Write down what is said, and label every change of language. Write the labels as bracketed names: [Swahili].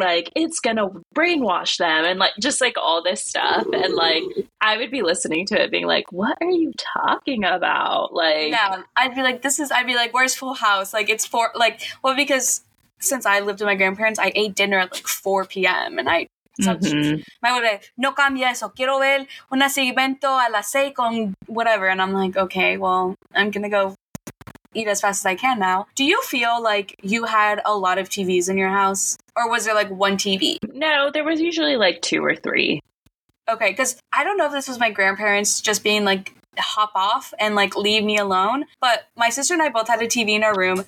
[English] Like it's gonna brainwash them and like just like all this stuff. Ooh. And like I would be listening to it being like, what are you talking about? Like, yeah, I'd be like, where's Full House? Like it's for like, well, because since I lived with my grandparents, I ate dinner at like 4 p.m. And I, my mother, [Spanish] no cambia eso, quiero ver un seguimiento a las 6 con whatever. [English] And I'm like, okay, well, I'm going to go eat as fast as I can now. Do you feel like you had a lot of TVs in your house? Or was there like one TV? No, there was usually like two or three. Okay, because I don't know if this was my grandparents just being like, hop off and like leave me alone, but my sister and I both had a TV in our room.